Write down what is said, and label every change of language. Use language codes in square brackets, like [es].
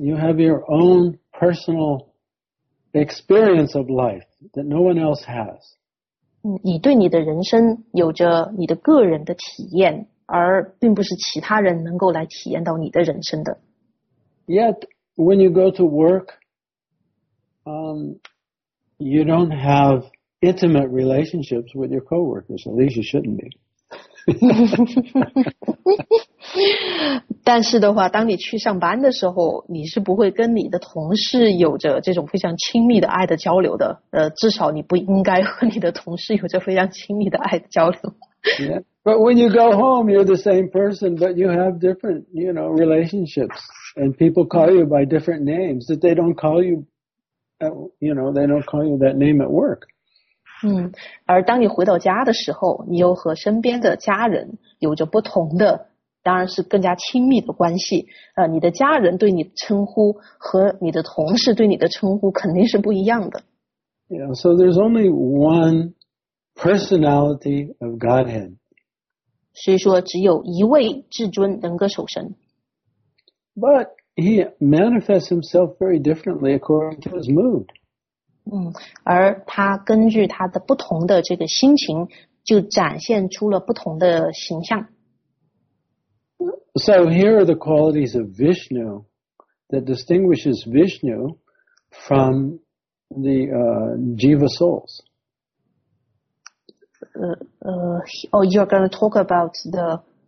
[en] You have your own personal experience of life that no one else has. [zh] 你对你的人生有着你的个人的体验，而并不是其他人能够来体验到你的人生的。 [en] Yet, when you go to work, you don't have intimate relationships with your coworkers, at least you shouldn't be. [zh] 但是的话，当你去上班的时候，你是不会跟你的同事有着这种非常亲密的爱的交流的。至少你不应该和你的同事有着非常亲密的爱的交流。 [en] Yeah. But when you go home, you're the same person, but you have different, you know, relationships, and people call you by different names that they don't call you, you know, they don't call you that name at work. [zh] 而当你回到家的时候，你又和身边的家人有着不同的，当然是更加亲密的关系。你的家人对你的称呼和你的同事对你的称呼肯定是不一样的。 [en] Yeah, so there's only one personality of Godhead. [zh] 所以说只有一位至尊人格守神。 [en] But he manifests himself very differently according to his mood. [zh] 而他根据他的不同的这个心情，就展现出了不同的形象。 [en] So here are the qualities of Vishnu that distinguishes Vishnu from the Jiva souls. You're going to talk about the.